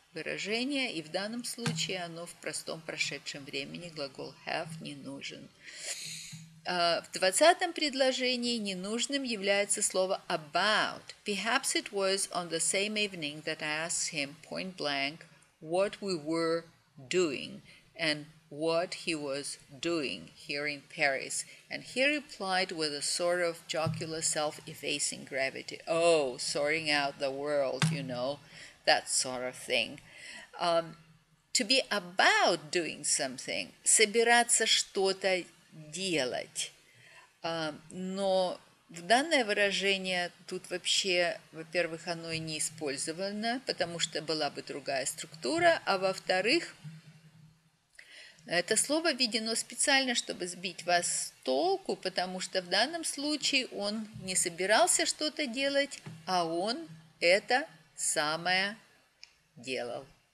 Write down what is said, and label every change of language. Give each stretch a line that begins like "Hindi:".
Russian: Выражение, и в данном случае оно в простом прошедшем времени. Глагол have не нужен. В 20-м предложении ненужным является слово about.
English: Perhaps it was on the same evening that I asked him point blank what we were doing and what he was doing here in Paris. And he replied with a sort of jocular self-effacing gravity. Oh, sorting out the world, you know, that sort of thing. To be about doing something.
Russian: Собираться что-то делать. Но в данное выражение тут вообще, во-первых, оно и не использовано, потому что была бы другая структура, а во-вторых, это слово введено специально, чтобы сбить вас с толку, потому что в данном случае он не собирался что-то делать, а он это самое делал.